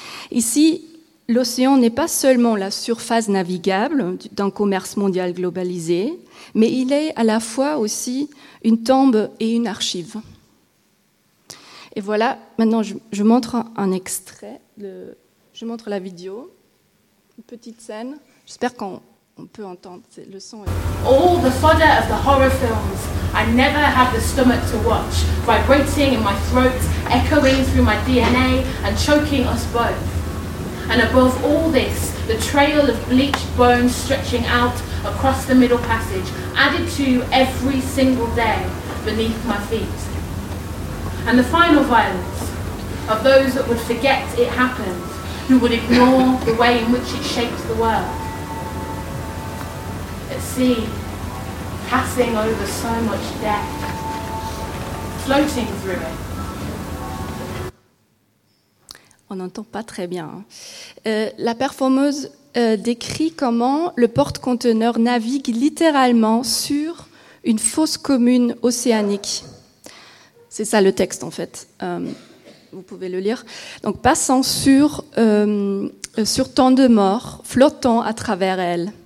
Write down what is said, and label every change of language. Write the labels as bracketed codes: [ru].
[fr] Ici, l'océan n'est pas seulement la surface navigable d'un commerce mondial globalisé, mais il est à la fois aussi une tombe et une archive. Et voilà, maintenant je montre un extrait, je montre la vidéo, une petite scène, j'espère qu'on... On peut entendre le son. [en] All the fodder of the horror films I never have the stomach to watch, vibrating in my throat, echoing through my DNA and choking us both. And above all this, the trail of bleached bones stretching out across the middle passage, added to every single day beneath my feet. And the final violence of those that would forget it happened, who would ignore the way in which it shapes the world. At sea, passing over so much death, floating through it. [fr] On n'entend pas très bien. La performeuse décrit comment le porte-conteneur navigue littéralement sur une fosse commune océanique. C'est ça le texte, en fait. Vous pouvez le lire. Donc, passant sur tant de morts, flottant à travers elle.